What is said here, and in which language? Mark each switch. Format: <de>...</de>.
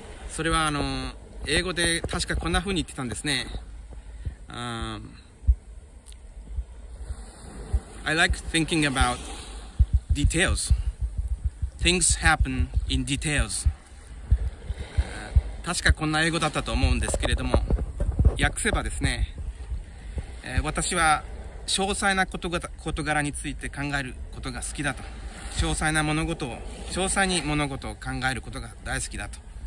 <ja>それは英語で確かこんな風に言ってたんですね。</ja> <en>I like thinking about details. Things happen in details.</en> <ja>確かこんな英語だったと思うんですけれども、訳せばですね、私は詳細な事柄について考えることが好きだと。詳細な物事を、詳細に物事を考えることが大好きだと。</ja>